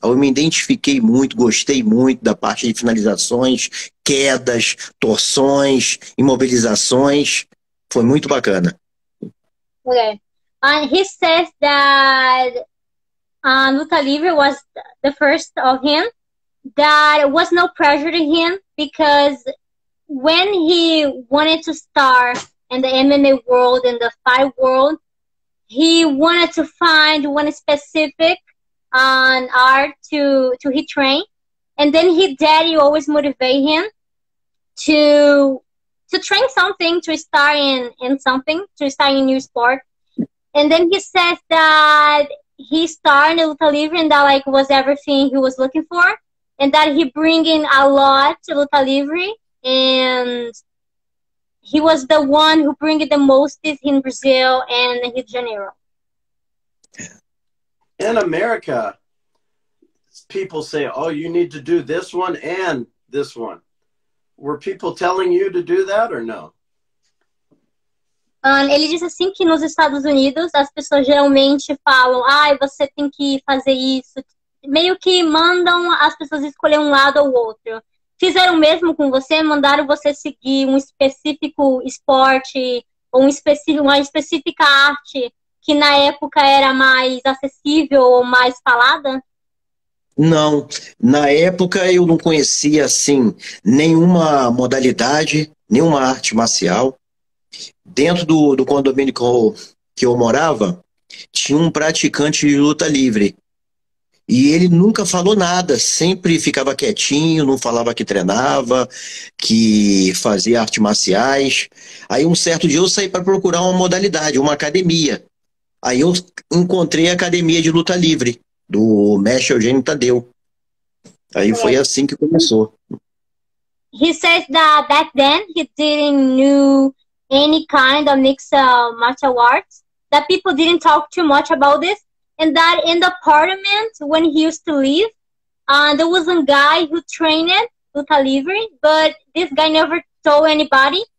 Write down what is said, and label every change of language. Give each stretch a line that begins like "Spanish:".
Portuguese: Eu me identifiquei muito, gostei muito da parte de finalizações, quedas, torções, imobilizações. Foi muito bacana.
English: Okay. He says that Luta Livre was the first of him, that it was no pressure to him because when he wanted to start in the MMA world and the fight world, he wanted to find one specific art to he train. And then his daddy always motivate him to train something, to start in something, to start in a new sport. And then he says that he started Luta Livre and that like was everything he was looking for, and that he bringing a lot to Luta Livre, and he was the one who bringing the most in Brazil and Rio de Janeiro. In America, people say, oh, you need to do this one and this one. Were people telling you to do that or no?
Portuguese: Ele disse assim que nos Estados Unidos as pessoas geralmente falam, ai, você tem que fazer isso. Meio que mandam as pessoas escolher um lado ou outro. Fizeram o mesmo com você? Mandaram você seguir um específico esporte ou uma específica arte que na época era mais acessível ou mais falada? Não, na época eu não conhecia assim nenhuma modalidade, nenhuma arte marcial. Dentro do condomínio que eu morava, tinha um praticante de luta livre. E ele nunca falou nada, sempre ficava quietinho, não falava que treinava, que fazia artes marciais. Aí um certo dia eu saí para procurar uma modalidade, uma academia. Aí eu encontrei a academia de luta livre do mestre Eugênio Tadeu. Aí foi assim que começou.
English: He says that back then he didn't know any kind of mixed martial arts, that people didn't talk too much about this, and that in the apartment when he used to live, there was a guy who trained Luta Livre, but this guy never told anybody.